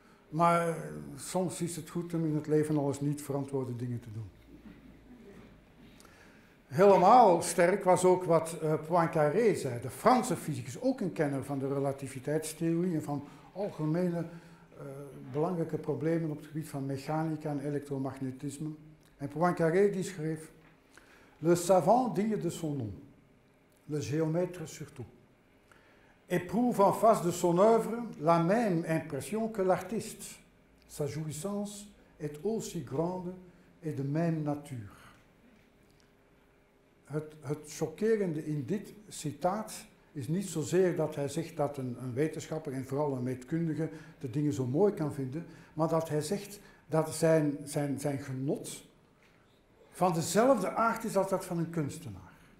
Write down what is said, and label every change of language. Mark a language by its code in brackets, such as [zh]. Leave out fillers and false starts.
[nl] Maar soms is het goed om in het leven al eens niet verantwoorde dingen te doen. Helemaal sterk was ook wat Poincaré zei, de Franse fysicus, ook een kenner van de relativiteitstheorie en van algemene belangrijke problemen op het gebied van mechanica en elektromagnetisme. En Poincaré die schreef, [fr] le savant digne de son nom, le géomètre surtout. Éprouve en face de son œuvre la même impression que l'artiste. Sa jouissance est aussi grande et de même nature. [nl] Het chockerende in dit citaat is niet zozeer dat hij zegt dat een wetenschapper en vooral een meetkundige de dingen zo mooi kan vinden, maar dat hij zegt dat zijn genot van dezelfde aard is als dat van een kunstenaar.